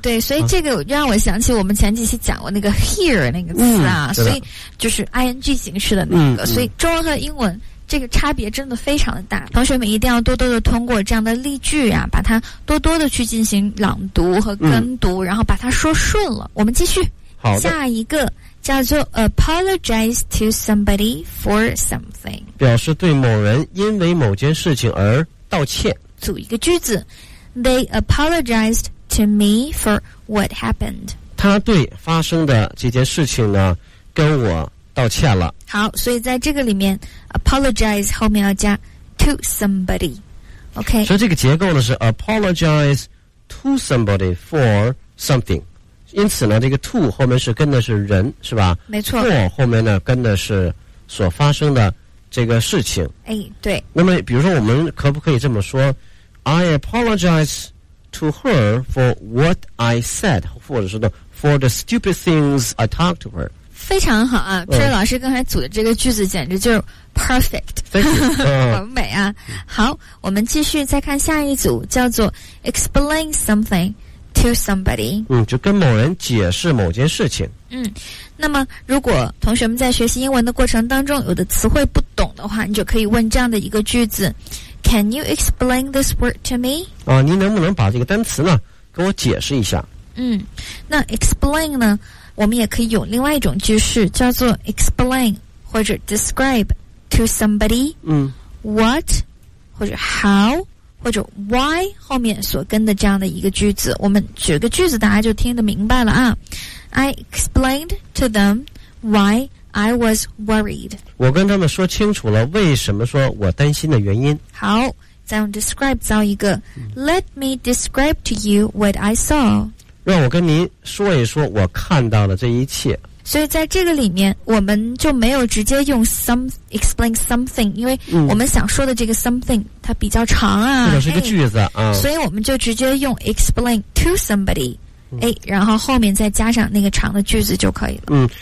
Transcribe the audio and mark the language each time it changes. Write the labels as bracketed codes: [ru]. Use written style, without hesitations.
[zh] 对，所以这个让我想起我们前几期讲过那个 hear 那个词啊，所以就是 ing 形式的那个，所以中文和英文这个差别真的非常的大，同学们一定要多多的通过这样的例句啊，把它多多的去进行朗读和跟读，然后把它说顺了。我们继续下一个，叫做 [en] apologize to somebody for something， [zh] 表示对某人因为某件事情而道歉。组一个句子， [en] They apologized to me for what happened， [zh] 他对发生的这件事情呢跟我道歉了。好，所以在这个里面 apologize 后面要加 to somebody， OK，所以这个结构呢是 [en] apologize to somebody for something， [zh] 因此呢这个 to 后面是跟的是人，是吧？没错。 for 后面呢跟的是所发生的这个事情。对。那么比如说我们可不可以这么说， [en] I apologize to her for what I said， 或者说 for the stupid things I talked to her。 [zh] 非常好啊，Peter老师刚才组的这个句子简直就是 perfect， 完美啊。好，我们继续再看下一组，叫做 [en] explain somethingto somebody， [zh] 就跟某人解释某件事情。那么如果同学们在学习英文的过程当中有的词汇不懂的话，你就可以问这样的一个句子， [en] Can you explain this word to me？ [zh] 你能不能把这个单词呢给我解释一下？那 explain 呢，我们也可以有另外一种句式，叫做 explain 或者 describe to somebody what 或者 how或者 why 后面所跟的这样的一个句子，我们举个句子大家就听得明白了啊。 [en] I explained to them why I was worried， [zh] 我跟他们说清楚了为什么说我担心的原因。好，再用 describe 造一个， [en] Let me describe to you what I saw， [zh] 让我跟您说一说我看到了这一切。所以在这个里面我们就没有直接用 explain something， 因为我们想说的这个 something 它比较长啊，这是一个句子啊，所以我们就直接用 explain to somebody， 然后后面再加上那个长的句子就可以了。